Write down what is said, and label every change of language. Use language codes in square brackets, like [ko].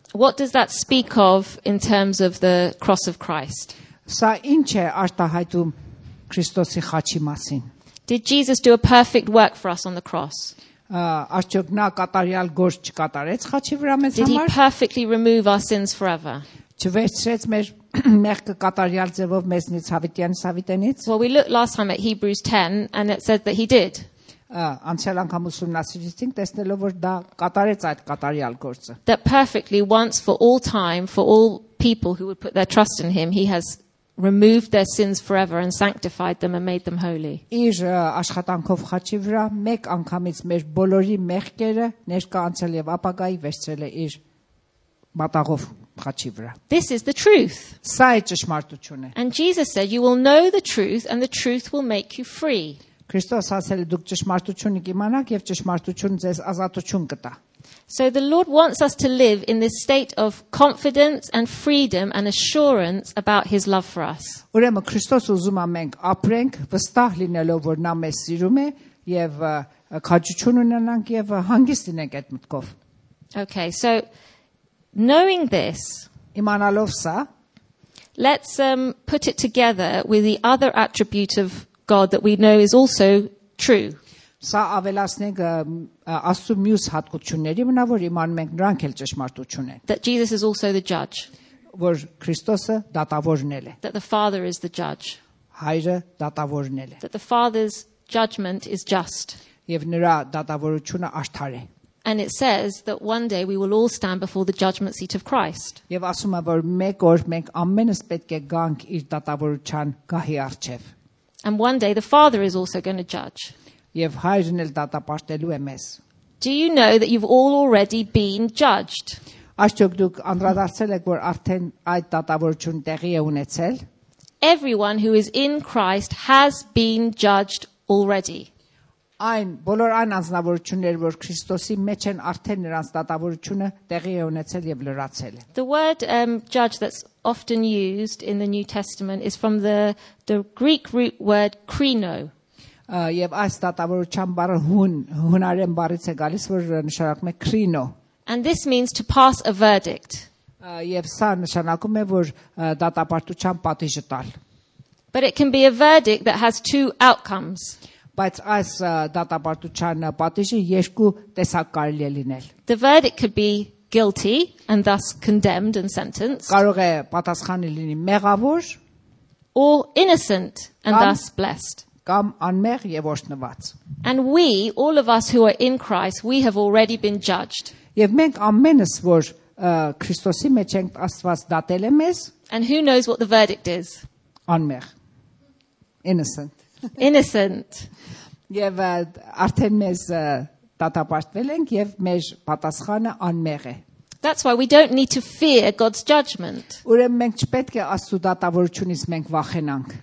[en] What does that speak of in terms of the cross of Christ? [hy] Սա ինչ է արտահայտում Քրիստոսի խաչի մասին? [en] Did Jesus do a perfect work for us on the cross? [hy] Աշխատ նա կատարյալ գործ չկատարեց խաչի վրա մեզ համար։ [en] Did he perfectly remove our sins forever? [hy] Չվերցրեց մեր մեղքը կատարյալ ձևով մեզնից հավիտյանս հավիտենից։ [en] Well, we looked last time at Hebrews 10 and it said that he did. [hy] Անցյալ անգամ ուսումնասիրեցինք տեսնելով որ դա կատարեց այդ կատարյալ գործը։ [en] That perfectly once for all time for all people who would put their trust in him, he has removed their sins forever and sanctified them and made them holy. [hy] Իր աշխատանքով խաչի վրա մեկ անգամից մեր բոլորի մեղքերը ներկայացել եւ ապագայի վերցրել է իր մատաղով խաչի վրա. [en] This is the truth. [hy] Սա է ճշմարտությունը. [en] And Jesus said, you will know the truth and the truth will make you free. [hy] Քրիստոս ասել է դուք ճշմարտությունը կիմանաք եւ ճշմարտությունը ձեզ ազատություն կտա. [en] So the Lord wants us to live in this state of confidence and freedom and assurance about his love for us. [hy] Ուրեմն Քրիստոս ուզում է մենք ապրենք վստահ լինելով որ նա մեզ սիրում է եւ քաջություն ունենանք եւ հանգիստ լինենք այդ մտքով. [en] Okay, so knowing this, [hy] իմանալով սա, [en] let's put it together with the other attribute of God that we know is also true. [hy] Սա ավելացնենք Աստու մյուս հատկությունների մնա որ իմանում ենք նրանք էլ ճշմարտություն են. [en] That Jesus is also the judge. [hy] Որ Քրիստոսը դատավորն էլ է. [en] That the Father is the judge. [hy] Հայրը դատավորն էլ է. [en] That the Father's judgment is just. [hy] Եվ նրա դատավորությունը արդար է. [en] And it says that one day we will all stand before the judgment seat of Christ. [hy] Եվ ասում է որ մեկ օր մենք ամենս պետք է գանք իր դատավորության գահի առջև. [en] And one day the Father is also going to judge. [hy] Եվ հայրն էլ դատապարտելու է մեզ։ [en] Do you know that you've all already been judged? [hy] Աշխատ դուք անդրադարձել եք որ արդեն այդ դատավորություն տեղի է ունեցել։ [en] Everyone who is in Christ has been judged already. [hy] Այն բոլոր այն անձնավորությունները որ Քրիստոսի մեջ են արդեն նրանց դատավորությունը տեղի է ունեցել եւ լրացել։ [en] The word judge that's often used in the New Testament is from the Greek root word krino. [hy] Եվ այս դատավորության բառը հունարեն բառից է գալիս, որ նշանակում է քրինո։ [en] And this means to pass a verdict. [hy] Եվ սա նշանակում է, որ դատապարտության պատիժը տալ։ [en] But it can be a verdict that has two outcomes. [hy] Բայց այս դատապարտության պատիժը երկու տեսակ կարելի է լինել։ [en] The verdict could be guilty and thus condemned and sentenced. [hy] Կարող է պատասխանը լինի մեղավոր, [en] or innocent and thus blessed. [hy] Կամ անմեղ եւ ոչնված։ [en] And we all of us who are in Christ, we have already been judged. [hy] Եվ մենք ամենս, որ Քրիստոսի մեջ ենք, Աստված դատել է մեզ։ [en] And who knows what the verdict is? [hy] Անմեղ։ [en] Innocent. Innocent. [hy] Եվ արդեն մեզ դատապարտվել ենք եւ մեր պատասխանը անմեղ է։ [en] That's why we don't need to fear God's judgment. [hy] Ուրեմն մենք չպետք է Աստծո դատավորությունից մենք վախենանք։